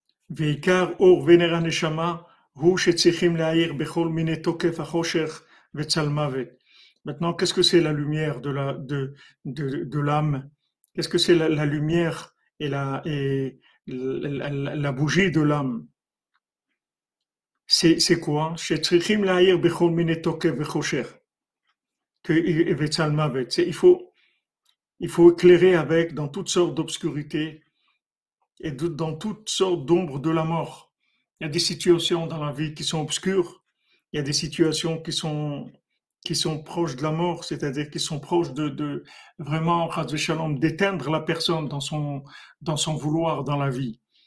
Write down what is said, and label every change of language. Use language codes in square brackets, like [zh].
[he] ועיקר אור ונר הנשמה הוא שצריכים להאיר בכל מיני תוקף החושך וצלמוות. [fr] Maintenant, qu'est-ce que c'est la lumière de l'âme? Qu'est-ce que c'est la lumière et la bougie de l'âme? C'est quoi? [he] שצריכים להאיר בכל מיני תוקף וחושך וצלמוות. [fr] Il faut éclairer avec dans toutes sortes d'obscurités. Et dans toutes sortes d'ombres de la mort. Il y a des situations dans la vie qui sont obscures, il y a des situations qui sont qui sont proches de la mort, c'est-à-dire qui sont proches de vraiment, [he] Chas v'Shalom, [fr] d'éteindre la personne dans son vouloir dans la vie.